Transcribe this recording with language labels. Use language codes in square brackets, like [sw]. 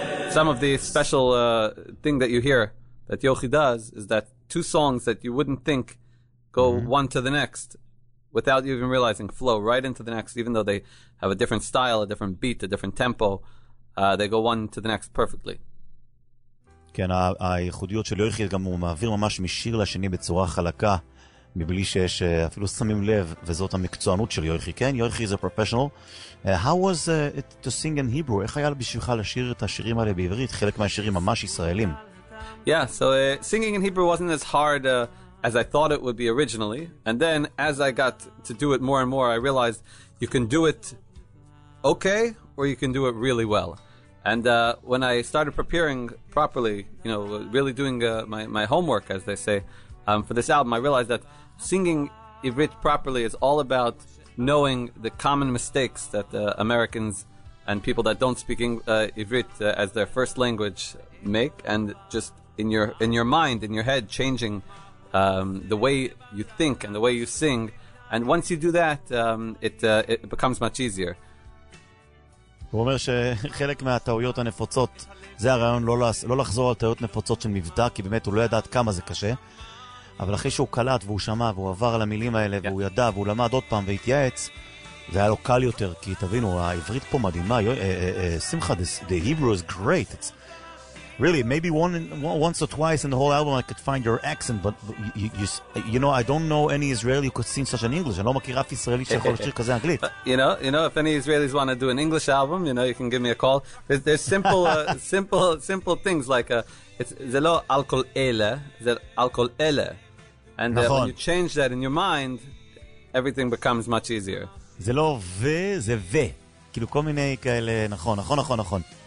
[en] Some of the special thing that you hear that Yochi does is that two songs that you wouldn't think go mm-hmm. one to the next without you even realizing flow right into the next, even though they have a different style, a different beat, a different tempo, they go one to the next perfectly. [he] כן, הייחודיות של יוחי גם הוא מעביר ממש משיר לשני בצורה חלקה, מבלי שיש אפילו שמים לב, וזאת המקצוענות של יוחי, כן? [en] יוחי is a professional. How was it to sing in Hebrew? [he] איך היה בשבילך לשיר את השירים האלה בעברית? חלק מהשירים ממש ישראלים. [en] Yeah, so singing in Hebrew wasn't as hard as I thought it would be originally. And then as I got to do it more and more, I realized you can do it okay or you can do it really well. And when I started preparing properly, you know, really doing my homework, as they say, for this album, I realized that singing Ivrit properly is all about knowing the common mistakes that Americans and people that don't speak Ivrit as their first language make, and just in your mind, in your head, changing the way you think and the way you sing. And once you do that, it becomes much easier. [he] הוא אומר שחלק מהטעויות הנפוצות, זה הרעיון לא לחזור על טעויות נפוצות של מבטא, כי באמת הוא לא ידע עד כמה זה קשה. אבל אחרי שהוא קלט והוא שמע והוא עבר על המילים האלה והוא ידע והוא למד עוד פעם והתייעץ, זה היה לו קל יותר, כי תבינו, העברית פה מדהימה. [en] שמחה, the Hebrew is great. It's really, maybe once or twice in the whole album I could find your accent, but you know, I don't know any Israeli who could sing such an English. [he] אני לא מכיר אף ישראלי שיכול לשיר כזה אנגלית. [en] You know, if any Israelis want to do an English album, you know, you can give me a call. There's simple things like [he] זה לא אלכוהול אלה, זה אלכוהול אלה. [en] And when you change that in your mind, everything becomes much easier. [he] זה לא ו, זה ו. כאילו כל מיני כאלה, נכון, נכון, נכון, נכון.